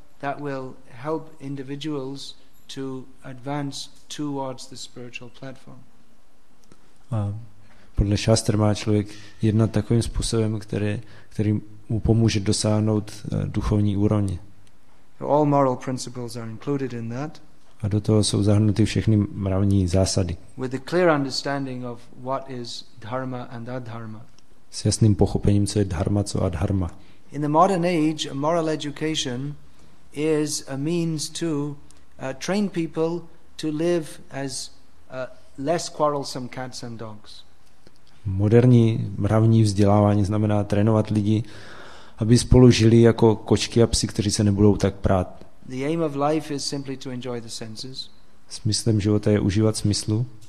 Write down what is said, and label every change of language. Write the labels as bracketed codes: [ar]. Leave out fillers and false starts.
[en] that will help individuals to advance towards the spiritual platform. [cs] Podle šastr má člověk jednat takovým způsobem, který mu pomůže dosáhnout duchovní úrovně. [en] All moral principles are included in that. [cs] A do toho jsou zahrnuty všechny mravní zásady. [en] With a clear understanding of what is dharma and adharma. [cs] S jasným pochopením, co je dharma, co adharma. [en] In the modern age, a moral education is a means to train people to live as less quarrelsome cats and dogs. [cs] Moderní mravní vzdělávání znamená trénovat lidi, aby spolu žili jako kočky a psi, kteří se nebudou tak prát. [en] The aim of life is simply to enjoy the senses. [cs] Smyslem života je užívat smyslu.